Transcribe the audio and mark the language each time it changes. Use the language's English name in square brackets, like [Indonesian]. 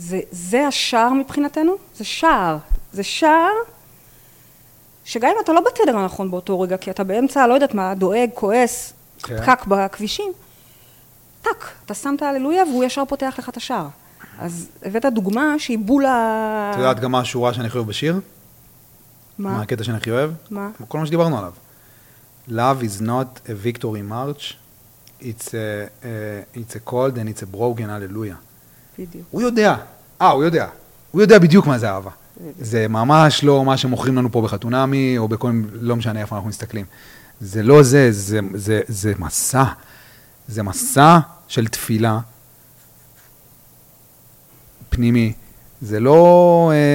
[Hebrew] זה השער מבחינתנו? זה שער. זה שער שגם אם אתה לא בתדר הנכון באותו רגע, כי אתה באמצע, לא יודעת מה, דואג, כועס, כן. פקק בכבישים, טק, אתה שמת הללויה והוא ישר פותח לך את השער. אז הבאת דוגמה שהיא בולה... אתה יודעת גם מה השורה שאני חייב בשיר? מה? מה הקטע שאני הכי אוהב? מה? כל מה שדיברנו עליו. [English] Love is not a victory march, it's a cold and it's a broken, hallelujah. [Hebrew] בדיוק. הוא יודע. הוא יודע. הוא יודע בדיוק מה זה אהבה. בדיוק. זה ממש לא מה שמוכרים לנו פה בחתונמי, או בכל מיני, לא משנה איפה אנחנו מסתכלים. זה לא זה, זה מסע. זה מסע של תפילה פנימי. זה לא...